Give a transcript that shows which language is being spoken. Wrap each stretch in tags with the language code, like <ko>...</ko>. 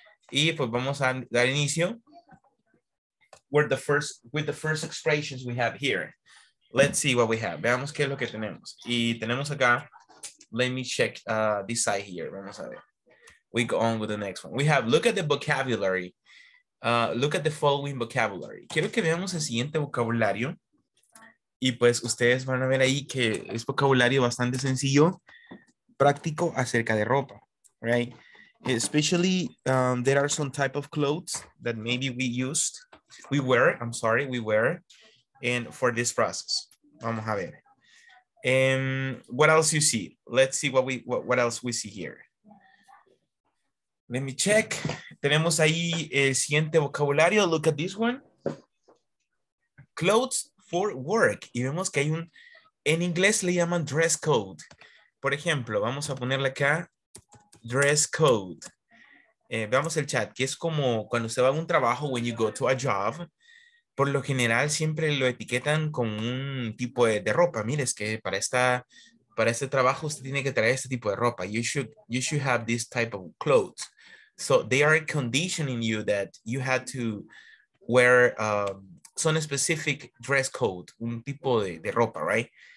<es>Y pues vamos a dar inicio</es> <en>with the first expressions we have here. Let's see what we have.</en> <es>Veamos qué es lo que tenemos. Y tenemos acá,</es> <en>let me check this side here.</en> <es>Vamos a ver.</es> <en>We go on with the next one. We have, look at the vocabulary. Look at the following vocabulary.</en> <es>Quiero que veamos el siguiente vocabulario. Y pues ustedes van a ver ahí que es vocabulario bastante sencillo, práctico acerca de ropa, right?</es> <en>Especially, there are some type of clothes that maybe we wear, and for this process.</en> <es>Vamos a ver.</es> <en>What else you see? Let's see what else we see here. Let me check.</en> <es>Tenemos ahí el siguiente vocabulario.</es> <en>Look at this one. Clothes for work.</en> <es>Y vemos que hay un, en inglés le llaman dress code. Por ejemplo, vamos a ponerle acá dress code. Veamos el chat, que es como cuando usted va a un trabajo,</es> <en>when you go to a job,</en> <es>por lo general siempre lo etiquetan con un tipo de ropa. Mire, es que para esta, para este trabajo usted tiene que traer este tipo de ropa.</es> <en>You should have this type of clothes. So they are conditioning you that you had to wear some specific dress code,</en> <es>un tipo de ropa,</es> <en>right?</en>